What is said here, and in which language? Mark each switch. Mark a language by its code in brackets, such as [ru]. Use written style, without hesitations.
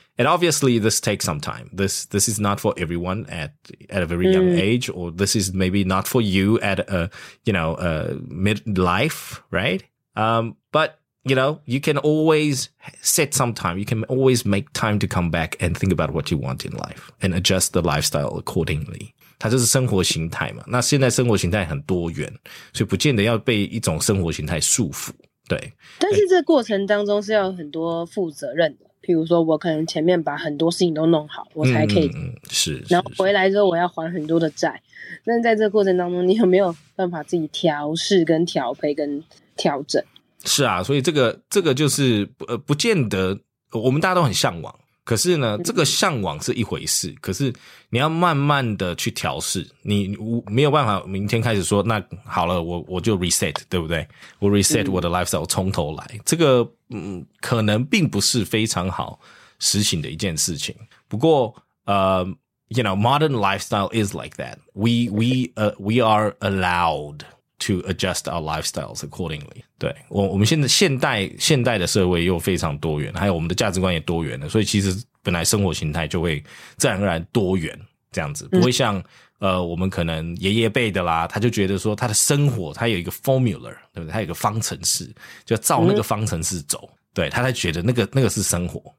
[en] And obviously, this takes some time. This is not for everyone at a very young age, or this is maybe not for you at a, you know, a midlife, right? But, you know, you can always set some time. You can always make time to come back and think about what you want in life and adjust the lifestyle accordingly. [zh] 它就是生活形态嘛，那现在生活形态很多元，所以不见得要被一种生活形态束缚，对。但是这过程当中是要有很多负责任的，譬如说我可能前面把很多事情都弄好，我才可以，是。然后回来之后我要还很多的债，那在这过程当中你有没有办法自己调适跟调配跟调整？是啊，所以这个就是不见得，我们大家都很向往。可是呢，这个向往是一回事，可是你要慢慢的去调试，你没有办法明天开始说那好了，我就 reset， 对不对？我 reset 我的 lifestyle 从头来，这个可能并不是非常好实行的一件事情。不过 [en] you know, modern lifestyle is like that. We are allowed to adjust our lifestyles accordingly. [zh] 对，我们现代的社会又非常多元，还有我们的价值观也多元了，所以其实本来生活形态就会自然而然多元这样子，不会像我们可能爷爷辈的啦，他就觉得说他的生活他有一个 formula， 对不对？他有一个方程式，就照那个方程式走，对，他才觉得那个是生活。